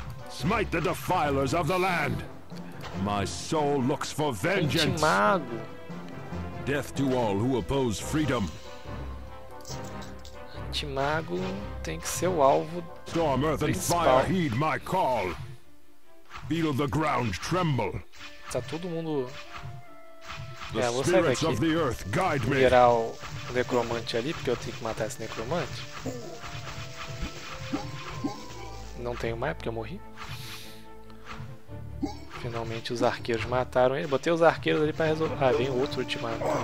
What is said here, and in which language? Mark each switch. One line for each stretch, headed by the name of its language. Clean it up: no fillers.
English: Smite the defilers of the land. My soul looks for vengeance. Mago. Death to all who oppose freedom.
Portuguese: Antimago tem que ser o alvo.
English: Storm, earth and fire, heed my call. Feel the ground tremble.
Portuguese: Tá todo mundo. É, vou sair daqui. Virar o necromante ali, porque eu tenho que matar esse necromante. Não tenho mais, porque eu morri. Finalmente os arqueiros mataram ele. Botei os arqueiros ali pra resolver. Ah, vem outro ultimato.